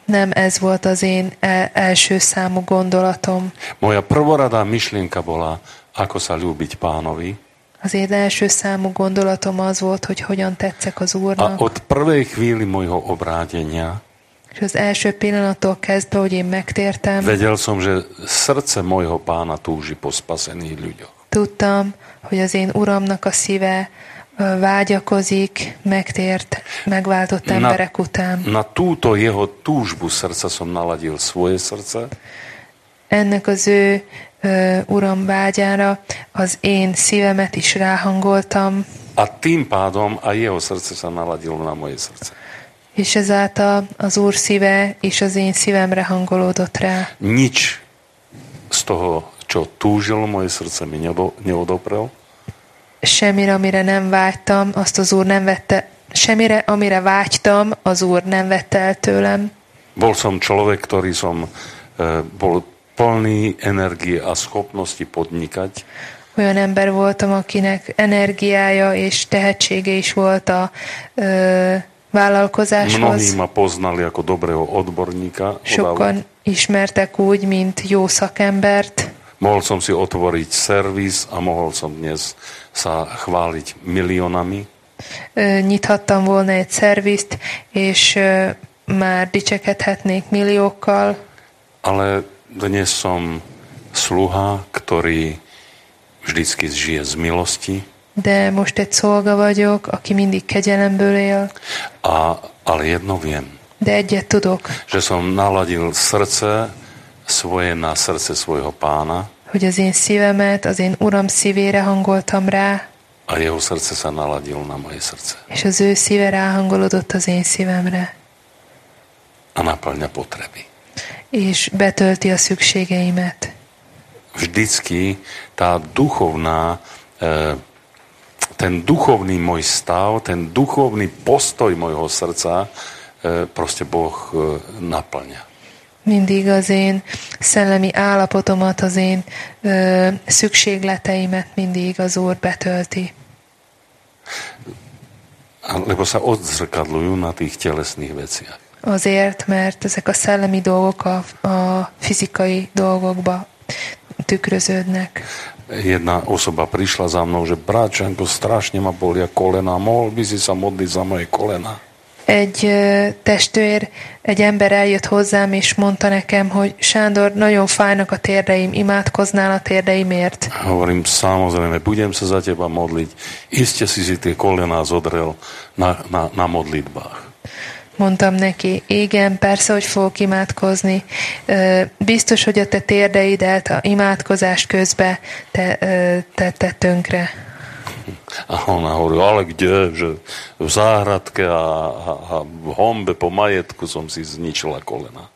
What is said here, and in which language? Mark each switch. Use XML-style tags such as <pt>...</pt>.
<hu>Nem ez volt az én első számú gondolatom.</hu> <sk>Moja prvoradá myšlienka bola, ako sa ľúbiť pánovi.</sk> <hu>Az én első számú gondolatom az volt, hogy hogyan tetszek az Úrnak.</hu> <sk>A od prvej chvíli mojho obrátenia.</sk> <hu>És az első pillanattól kezdve, hogy én megtértem.</hu> <sk>Vedel som, že srdce mojho pána túži po spasených ľuďoch.</sk> <hu>Tudtam, hogy az én Uramnak a szíve vágyakozik, megtért, megváltott emberek után.</hu> <sk>Na túto jeho túžbu srdca som naladil svoje srdce.</sk> <hu>Ennek az ő Uram vágyára az én szívemet is ráhangoltam.</hu> <sk>A tým pádom a jeho srdce sa naladilo na moje srdce.</sk> <hu>És ezáltal az Úr szíve és az én szívemre hangolódott rá.</hu> <sk>Nič z toho, čo túžilo moje srdce, mi neodoprel.</sk> <hu>Semmire, amire nem vágytam, azt az Úr nem vette. Semmire, amire vágytam, az Úr nem vette el tőlem.</hu> <sk>Bol som človek, ktorý som bol plný energie a schopnosti podnikať.</sk> <hu>Olyan ember voltam, akinek energiája és tehetsége is volt a vállalkozáshoz.</hu> <sk>Mnohí ma poznali ako dobrého odborníka.</sk> <hu>Sokan ismertek úgy, mint jó szakembert.</hu> <sk>Mohol som si otvoriť servis a mohol som dnes sa chváliť miliónami.</sk> <hu>Nyithattam volna egy szervist, és már dicsekedhetnék milliókkal.</hu> <sk>Ale dnes som sluha, ktorý vždycky žije z milosti.</sk> <hu>De most egy szolga vagyok, aki mindig kegyelemből él.</hu> <sk>A, ale jedno viem.</sk> <hu>De egyet tudok.</hu> <sk>Že som naladil srdce svoje na srdce svojho pána.</sk> <hu>Hogy az én szívemet, az én Uram szívére hangoltam rá.</hu> <sk>A jeho srdce sa naladil na moje srdce.</sk> <hu>És az ő szíve ráhangolódott az én szívemre.</hu> <sk>A naplňa potreby.</sk> <hu>És betölti a szükségeimet.</hu> <sk>Vždycky tá duchovná, ten duchovný môj stav, ten duchovný postoj mojho srdca proste Boh naplňa.</sk> <hu>Mindig az én szellemi állapotomat, az én szükségleteimet mindig az Úr betölti.</hu> <sk>Lebo sa odzrkadlujú na tých telesných veciach.</sk> <hu>Azért, mert ezek a szellemi dolgok a fizikai dolgokba tükröződnek.</hu> <sk>Jedna osoba prišla za mnou, že bráčanko, strašne ma bolia kolena, mohol by si sa modliť za moje kolena.</sk> <hu>Egy testvér, egy ember eljött hozzám, és mondta nekem, hogy Sándor, nagyon fájnak a térdeim, imádkoznál a térdeimért.</hu> <sk>Hovorím, samozrejme, budem sa za teba modliť, iste si tie kolena zodrel na modlitbách.</sk> <hu>Mondtam neki, igen, persze, hogy fogok imádkozni. Biztos, hogy a te térdeidet a imádkozás közben te tönkre.</hu> <sk>A ona hovorí, ale kde, že v záhradke a v hombe po majetku som si zničila kolena.</sk>